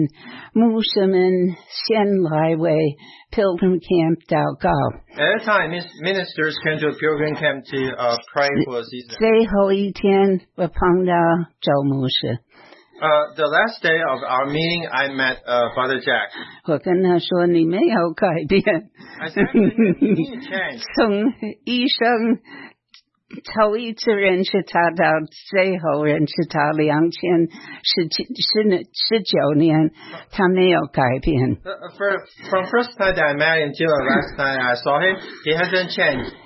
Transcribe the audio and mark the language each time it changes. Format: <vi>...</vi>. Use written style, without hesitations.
<zh>是在2019年的时候，那个时候，我们牧师们先来为 Pilgrim Camp 祷告.</zh> <en>At that time, ministers came to Pilgrim Camp to pray for the season.</en> <zh>最后一天，我碰到周牧师。</zh> <en>The last day of our meeting, I met Father Jack.</en> <zh>我跟他说你没有改变。从医生头一次认识他到最后认识他2019年，他没有改变。</zh> <en>From first time that I met him till the last time I saw him, he hasn't changed.</en>